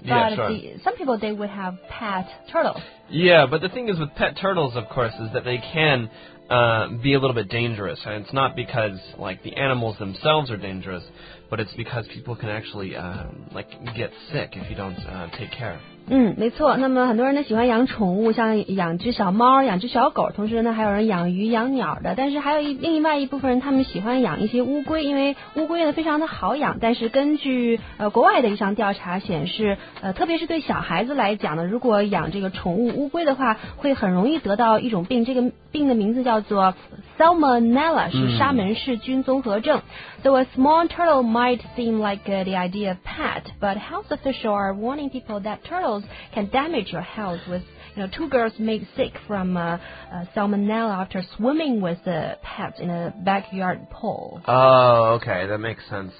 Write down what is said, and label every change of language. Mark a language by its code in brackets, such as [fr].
[en] But some people, they would have pet turtles. Yeah, but the thing is with pet turtles, of course, is that they can be a little bit dangerous. And it's not because, like, the animals themselves are dangerous, but it's because people can actually, like, get sick if you don't take care. [zh] 没错，那么很多人呢喜欢养宠物，像养只小猫，养只小狗，同时呢还有人养鱼养鸟的，但是还有另外一部分人，他们喜欢养一些乌龟，因为乌龟呢非常的好养，但是根据国外的一项调查显示，特别是对小孩子来讲呢，如果养这个宠物乌龟的话，会很容易得到一种病，这个病的名字叫做 Salmonella， 是沙门氏菌综合症。 [en] So a small turtle might seem like the idea of pet, but health officials are warning people that turtles can damage your health with, you know, two girls made sick from salmonella after swimming with a pet in a backyard pool. Oh, okay, that makes sense.